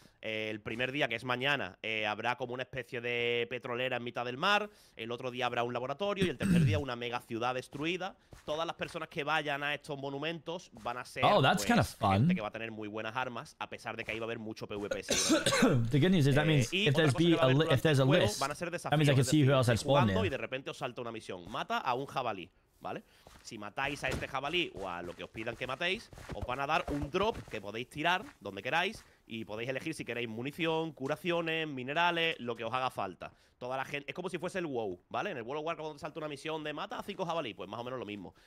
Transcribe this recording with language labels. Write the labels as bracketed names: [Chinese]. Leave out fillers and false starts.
[Spanish] El primer día, que es mañana, habrá como una especie de petrolera en mitad del mar. El otro día habrá un laboratorio y el tercer día una mega ciudad destruida. Todas las personas que vayan a estos monumentos van a ser gente que va a tener muy buenas armas, a pesar de que ahí va a haber mucho PvP. [English] The good news is that means if there's a list, [Spanish] van a ser desafíos, [English] that means I can see who else has spawned there. [Spanish] Y de repente os salta una misión, mata a un jabalí, ¿vale? Si matáis a este jabalí o a lo que os pidan que matéis, os van a dar un drop que podéis tirar donde queráis y podéis elegir si queréis munición, curaciones, minerales, lo que os haga falta. Toda la gente, es como si fuese el WoW, ¿vale? En el World of Warcraft cuando te salta una misión de mata a 5 jabalí, pues más o menos lo mismo.